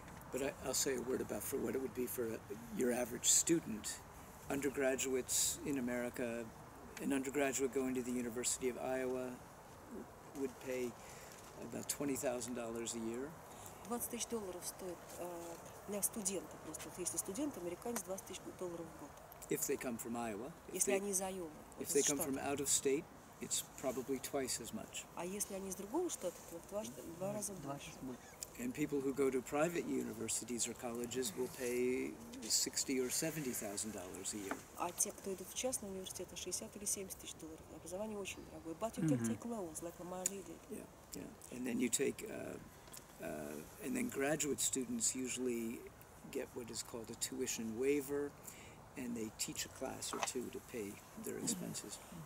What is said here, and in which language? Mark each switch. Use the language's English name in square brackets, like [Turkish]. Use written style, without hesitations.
[English] But I'll say a word about for what it would be for your average student. Undergraduates in America, an undergraduate going to the University of Iowa would pay about $20,000 a year. [Russian] 20 тысяч долларов стоит для студента просто. Если студент, американец, 20 тысяч долларов в год. [English] If they come from Iowa, if they come from out of state, it's probably twice as much. [Russian] А если они из другого штата, то в два раза больше. [English] And people who go to private universities or colleges will pay $60,000 or $70,000 a year. [Russian] А те, кто идут в частные университеты, 60 или 70 тысяч долларов. Образование очень дорогое. [English] But you can take loans, like my lady. Yeah, yeah. And then you take, and then graduate students usually get what is called a tuition waiver, and they teach a class or two to pay their expenses.